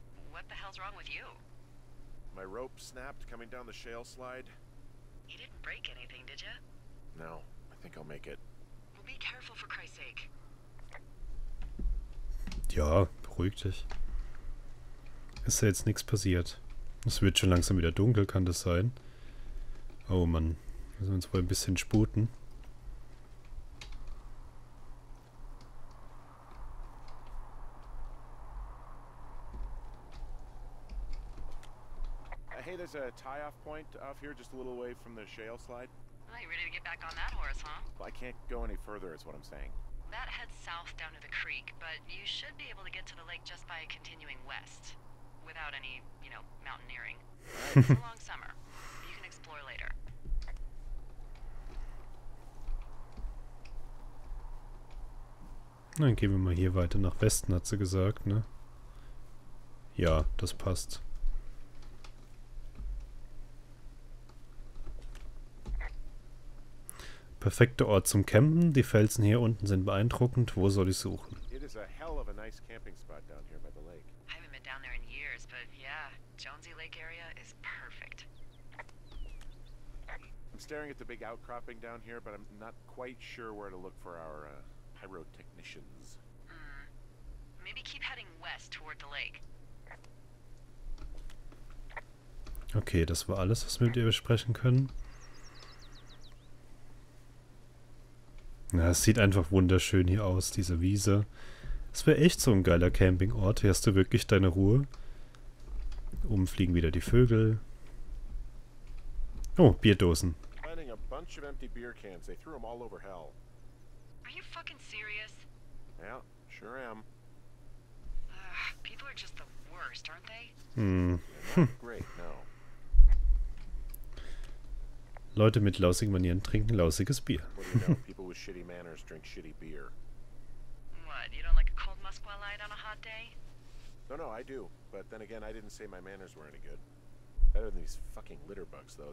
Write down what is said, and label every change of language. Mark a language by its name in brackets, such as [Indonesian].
[English] What the hell's wrong with you? My rope snapped coming down the shale slide. You didn't break anything, did you? No. I think I'll make it. Well, be careful for Christ's sake. [German] Ja, beruhig dich. Ist ja jetzt nichts passiert. Es wird schon langsam wieder dunkel, kann das sein? Oh Mann, müssen wir uns wohl ein bisschen sputen. [English] Hey, there's a tie-off point off here, just a little away from the shale slide. Oh, you ready to get back on that horse, huh? Well, I can't go any further, is what I'm saying. That heads south down to the creek, but you should be able to get to the lake just by continuing west. Without any, you know, mountaineering. It's a long summer. You can explore later. [German] Dann gehen wir mal hier weiter nach Westen, hat sie gesagt, ne? Ja, das passt. Perfekter Ort zum Campen. Die Felsen hier unten sind beeindruckend. Wo soll ich suchen? [English] It is a hell of a nice camping spot down here by the lake. I haven't been down there in years, but yeah, Jonesy Lake area is perfect. I'm staring at the big outcropping down here, but I'm not quite sure where to look for our pyrotechnicians. Maybe keep heading west toward the lake. [German] Okay, das war alles, was wir mit ihr besprechen können. Na, es sieht einfach wunderschön hier aus, diese Wiese. Es wäre echt so ein geiler Campingort. Hier hast du wirklich deine Ruhe. Oben fliegen wieder die Vögel. Oh, Bierdosen. [English] Planning a bunch of empty beer cans. They threw them all over hell. Are you fucking serious? Yeah, sure am. People are just the worst, aren't they? Great, no. [German] Leute mit lausigen Manieren trinken lausiges Bier. [English] People with shitty manners drink shitty beer. What? You don't like a cold Moskva light on a hot day? No, no, I do. But then again, I didn't say my manners were any good. Better than these fucking litter bugs, though.